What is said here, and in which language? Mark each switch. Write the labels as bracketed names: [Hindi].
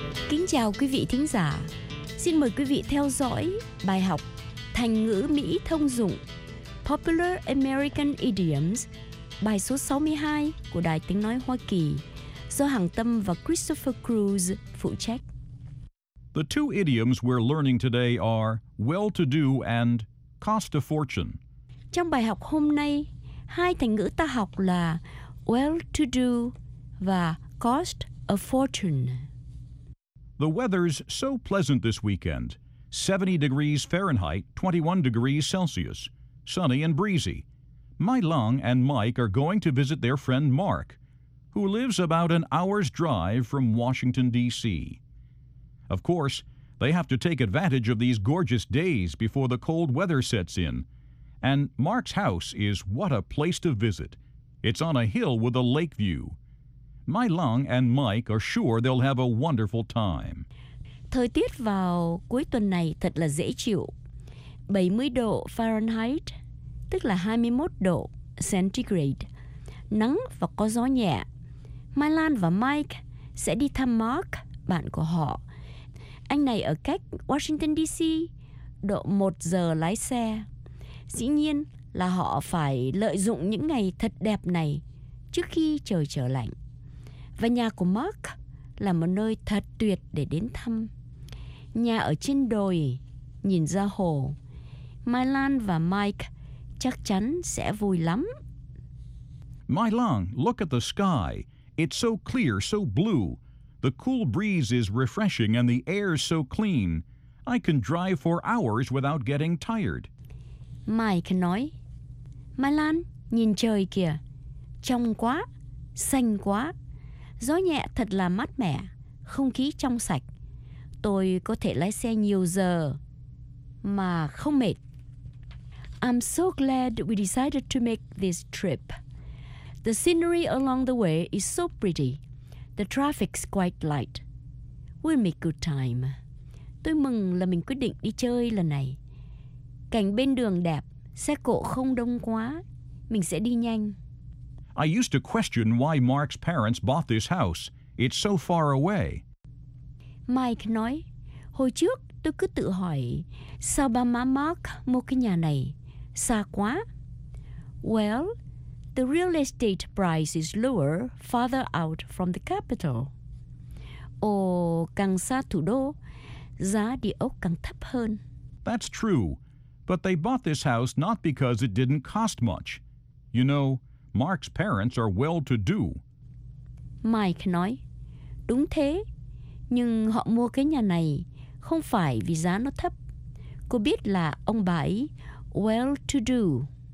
[Vietnamese] Kính chào quý vị thính giả. Xin mời quý vị theo dõi bài học thành ngữ Mỹ thông dụng Popular American Idioms, bài số 62 của Đài Tiếng Nói Hoa Kỳ, do Hằng Tâm và Christopher Cruz phụ trách. [English] The two idioms we're learning today are well-to-do and cost a fortune. [Vietnamese] Trong bài học hôm nay, Hai thành ngữ ta học là well-to-do và cost a fortune. [English] The weather's so pleasant this weekend. 70 degrees Fahrenheit, 21 degrees Celsius. Sunny and breezy. Mai Lung and Mike are going to visit their friend Mark, who lives about an hour's drive from Washington, D.C. Of course, they have to take advantage of these gorgeous days before the cold weather sets in. And Mark's house is what a place to visit. It's on a hill with a lake view. Mai Lung and Mike are sure they'll have a wonderful time. [Vietnamese] Thời tiết vào cuối tuần này thật là dễ chịu. 70 độ Fahrenheit, tức là 21 độ Centigrade. Nắng và có gió nhẹ. Mai Lan và Mike sẽ đi thăm Mark, bạn của họ. Anh này ở cách Washington DC, độ 1 giờ lái xe. Dĩ nhiên là họ phải lợi dụng những ngày thật đẹp này trước khi trời trở lạnh. Và nhà của Mark là một nơi thật tuyệt để đến thăm. Nhà ở trên đồi, nhìn ra hồ. Mai Lan và Mike chắc chắn sẽ vui lắm. [English] Mai Lan, look at the sky. It's so clear, so blue. The cool breeze is refreshing and the air is so clean. I can drive for hours without getting tired. [Vietnamese] Mike nói, Mai Lan, nhìn trời kìa. Trong quá, xanh quá. Gió nhẹ thật là mát mẻ, không khí trong sạch. Tôi có thể lái xe nhiều giờ mà không mệt. [English] I'm so glad we decided to make this trip. The scenery along the way is so pretty. The traffic's quite light. We'll make good time. [Vietnamese] Tôi mừng là mình quyết định đi chơi lần này. Cảnh bên đường đẹp, xe cộ không đông quá. Mình sẽ đi nhanh. [English] I used to question why Mark's parents bought this house. It's so far away. [Vietnamese] Mike nói, hồi trước tôi cứ tự hỏi, sao ba má Mark mua cái nhà này? Xa quá. [English] Well, the real estate price is lower farther out from the capital. [Vietnamese] Ồ, càng xa thủ đô, giá địa ốc càng thấp hơn. [English] That's true. But they bought this house not because it didn't cost much. You know, Mark's parents are well-to-do. [Vietnamese] Mike nói, đúng thế. Nhưng họ mua cái nhà này không phải vì giá nó thấp. Cô biết là ông bà ấy well-to-do.